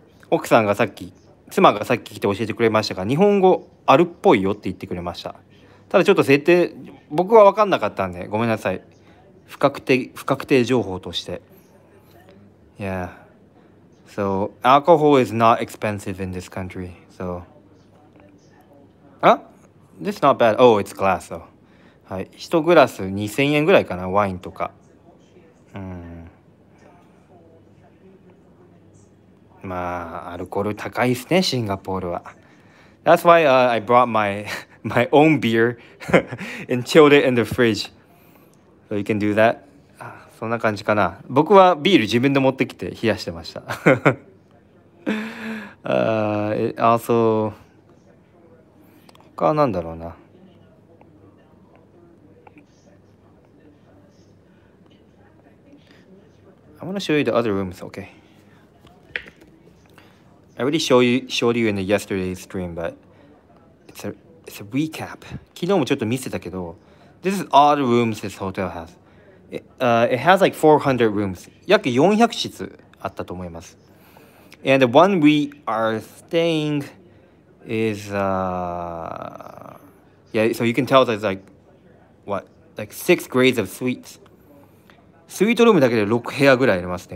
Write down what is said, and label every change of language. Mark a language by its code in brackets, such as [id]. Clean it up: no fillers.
[ja] 奥さんがさっき、妻がさっき来て教えてくれましたが、日本語あるっぽいよって言ってくれました。ただちょっと設定、僕は分かんなかったんで、ごめんなさい。不確定情報として。Yeah. [en] So, alcohol is not expensive in this country. So, this is not bad. Oh, it's glass, though. [ja] はい、1グラス2000円ぐらいかな、ワインとか。うん、まあアルコール高いですね、シンガポールは。 [en] That's why、I brought my own beer and chilled it in the fridge. So you can do that. [ja] そんな感じかな。僕はビール自分で持ってきて冷やしてました。 [en] Also [ja] 他は何だろうな。 [en] I want to show you the other rooms, okay. I already showed you in the yesterday's stream, but it's a recap. [ja] 昨日もちょっと見せたけど、 [en] This is all the rooms this hotel has. It has like 400 rooms. [ja] 約400室あったと思います。 [en] And the one we are staying is, yeah, so you can tell there's like, what, like 6 grades of suites. [ja] スイートルームだけで6部屋ぐらいありますね。